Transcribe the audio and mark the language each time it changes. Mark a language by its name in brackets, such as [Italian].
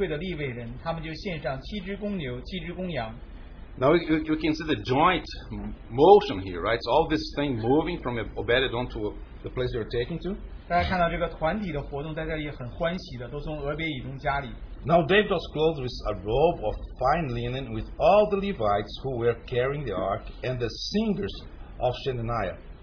[Chinese] 神赐恩给抬耶和华约柜的利未人，他们就献上七只公牛、七只公羊。 [English] Now you can see the joint motion here, right? It's all this thing moving from Obed-Edom to the place they were taking to. [Chinese] 大家看到这个团体的活动在这里很欢喜的，都从俄别以东家里。 [English] Now David was clothed with a robe of fine linen with all the Levites who were carrying the ark and the singers of Shenaniah.